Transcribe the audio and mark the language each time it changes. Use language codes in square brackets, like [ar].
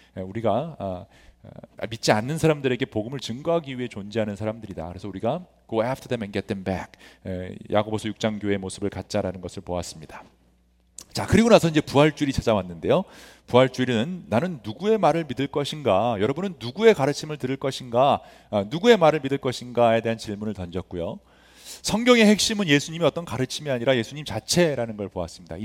[ko] 우리가 믿지 않는 사람들에게 복음을 증거하기 위해 존재하는 사람들이다. 그래서 우리가 [en] Go after them and get them back. [ko] 야고보서 6장 교회의 모습을 갖자라는 것을 보았습니다. 자, 그리고 나서 이제 부활주일이 찾아왔는데요. 부활주일은 나는 누구의 말을 믿을 것인가, 여러분은 누구의 가르침을 들을 것인가, 누구의 말을 믿을 것인가에 대한 질문을 던졌고요. 성경의 핵심은 예수님이 어떤 가르침이 아니라 예수님 자체라는 걸 보았습니다.